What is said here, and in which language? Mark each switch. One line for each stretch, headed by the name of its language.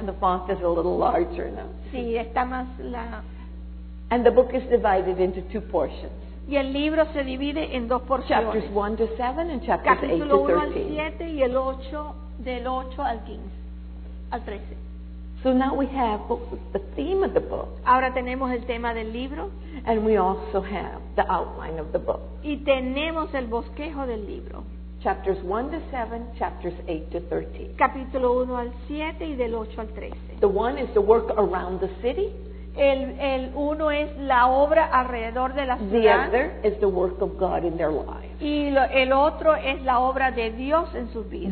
English: The font is a little larger now.
Spanish: Sí, está más la.
English: And the book is divided into two portions.
Spanish: Y el libro se divide en dos porciones.
English: Chapters 1 to 7 and chapters 8 to 13.
Spanish: Capítulo 1 al 7 y el 8, del 8 al 15, al 13.
English: So now we have the theme of the book.
Spanish: Ahora tenemos el tema del libro.
English: And we also have the outline of the book.
Spanish: Y tenemos el bosquejo del libro.
English: Chapters 1 to 7, chapters 8 to 13.
Spanish: Capítulo 1 al 7 y del 8 al 13.
English: The one is the work around the city.
Spanish: El uno es la obra alrededor de la ciudad.
English: The other is the work of God in their lives.
Spanish: Y el otro es la obra de Dios en sus vidas.